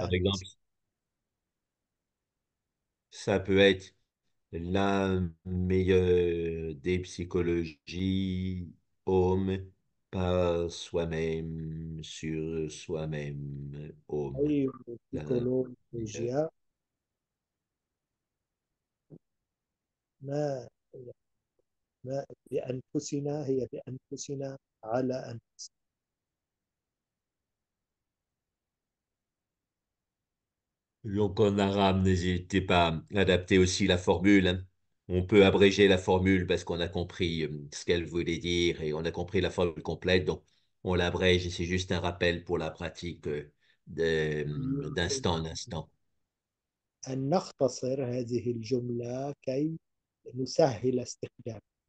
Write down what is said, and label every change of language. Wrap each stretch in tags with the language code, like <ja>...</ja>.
<fr>Par exemple,</fr> <ar>أنفسنا.</ar> <fr>ça peut être la meilleure des psychologies, home, par soi-même, sur soi-même, home.</fr> <ar>خير</ar> <fr>La meilleure.</fr> <ar>سيكولوجيا ما بأنفسنا، هي بأنفسنا على أنفسنا.</ar> <fr>Donc en arabe, n'hésitez pas à adapter aussi la formule. On peut abréger la formule parce qu'on a compris ce qu'elle voulait dire et on a compris la formule complète. Donc on l'abrège et c'est juste un rappel pour la pratique d'instant en instant.</fr> <ar>أن نختصر هذه الجملة كي نسهل استخدامها.</ar>